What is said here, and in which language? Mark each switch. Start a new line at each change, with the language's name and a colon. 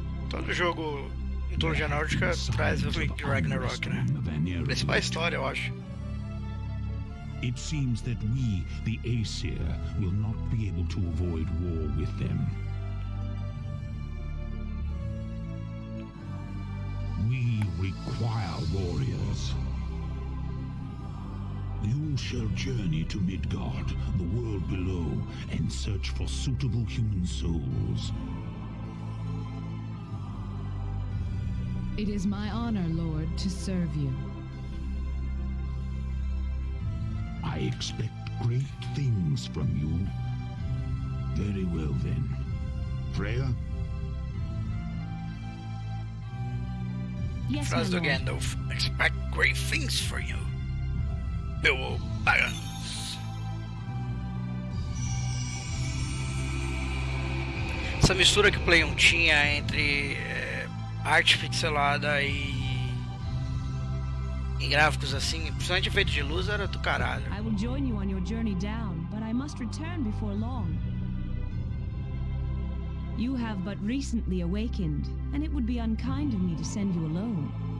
Portuguese: Todo jogo em mitologia nórdica traz o Ragnarok, né? Principal história, eu acho.
English: It seems that we, the Aesir, will not be able to avoid war with them. Require warriors. You shall journey to Midgard, the world below, and search for suitable human souls. It is my honor, Lord, to serve you. I expect great things from you. Very well, then. Freya? Yes,
Portuguese: frase do Gandalf.
English: Expect great things for you, Bilbo Baggins.
Portuguese: Essa mistura que o Play 1 tinha entre arte pixelada e gráficos assim, principalmente efeito de luz, era do caralho.
English: I will join you on your journey down, but I must return before long. You have but recently awakened, and it would be unkind of me to send you alone.